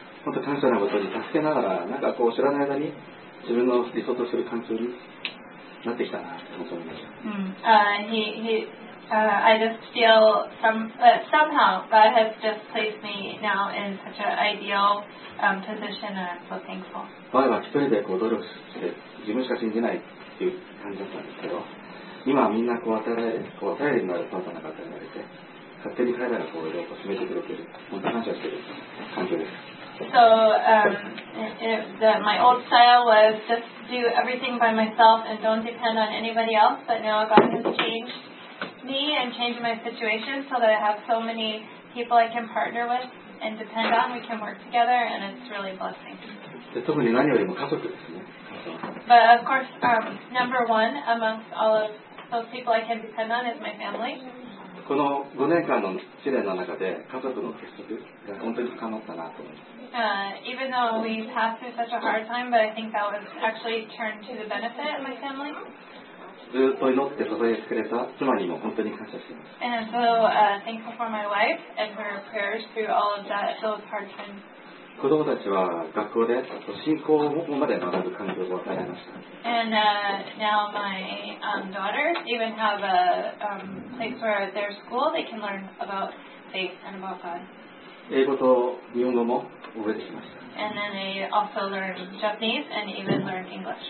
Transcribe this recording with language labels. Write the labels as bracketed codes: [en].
[ja] 本当に感謝なことに助けながら、なんかこう知らない間に自分の理想とする環境になってきたなと思いました。 [en] I just feel somehow God has just placed me now in such an ideal position, and I'm so thankful. [ja] 前は一人でこう努力して自分しか信じないっていう感じだったんですけど、今はみんなこう与えるのはパートナーが与えられて、勝手に彼らがこういろいろ進めてくれてる、本当に感謝してる環境です。 [en] So my old style was just do everything by myself and don't depend on anybody else. But now God has changed me and changed my situation so that I have so many people I can partner with and depend on. We can work together and it's really a blessing. But of course, number one amongst all of those people I can depend on is my family. [ja] この5年間の試練の中で家族の結束が本当に深まったなと思います。 [en] Even though we passed through such a hard time, but I think that was actually turned to the benefit of my family. [ja] ずっと祈って支えてくれた妻にも本当に感謝しています。 [en] And so, thankful for my wife and her prayers through all of that, those hard times. [ja] 子供たちは学校で信仰をここまで学ぶ環境を与えられました。 [en] And now my daughters even have a place where their school they can learn about faith and about God. [ja] 英語と日本語も覚えてきました。 [en] And then they also learn Japanese and even learn English.